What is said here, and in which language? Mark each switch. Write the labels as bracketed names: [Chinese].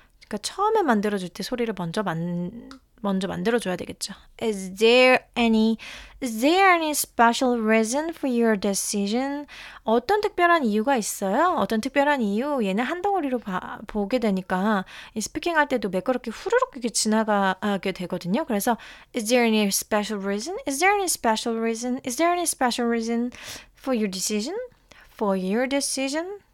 [Korean] 그러니까 처음에 만들어줄 때 소리를 먼저 만들어줘야 되겠죠. [English] Is there any special reason for your decision? [Korean] 어떤 특별한 이유가 있어요? 어떤 특별한 이유? 얘는 한 덩어리로 보게 되니까 이 스피킹 할 때도 매끄럽게 후루룩 이렇게 지나가게 되거든요. 그래서 [English] Is there any special reason for your decision? For your decision?